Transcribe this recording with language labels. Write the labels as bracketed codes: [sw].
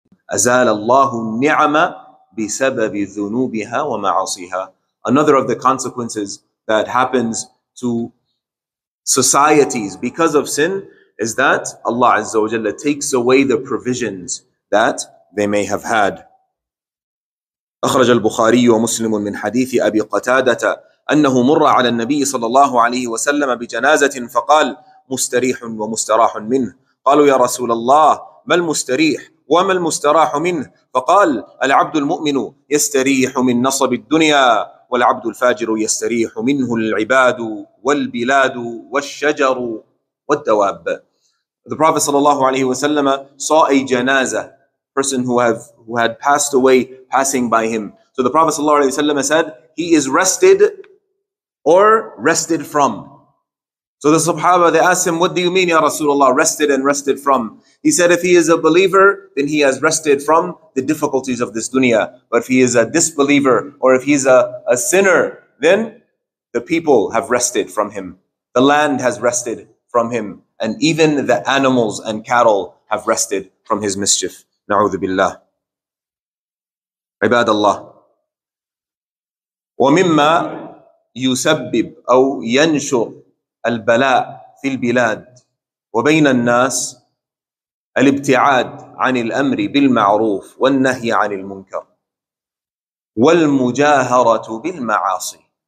[ar] أزال الله النعم بسبب ذنوبها ومعاصيها. [en] Another of the consequences that happens to societies because of sin is that Allah Azza wa Jalla takes away the provisions that they may have had. [ar] أخرج البخاري ومسلم من حديث أبي قتادة أنه مر على النبي صلى الله عليه وسلم بجنازة فقال: مستريح ومستراح منه. قالوا: يا رسول الله، ما المستريح وما المستراح منه؟ فقال: العبد المؤمن يستريح من نصب الدنيا، والعبد الفاجر يستريح منه العباد والبلاد والشجر والدواب. [en] The Prophet [ar] صلى الله عليه وسلم [en] saw a janazah, person who had passed away passing by him. So the Prophet [ar] صلى الله عليه وسلم [en] said, he is rested or rested from. So the Sahaba, they asked him, what do you mean, Ya Rasulullah, rested and rested from? He said, if he is a believer, then he has rested from the difficulties of this dunya. But if he is a disbeliever, or if he's a sinner, then the people have rested from him. The land has rested from him. And even the animals and cattle have rested from his mischief. [ar] نعوذ بالله. عباد الله. ومما يسبب أو ينشر البلاء في البلاد وبين الناس الابتعاد عن الأمر بالمعروف والنهي عن المنكر والمجاهرة بالمعاصي.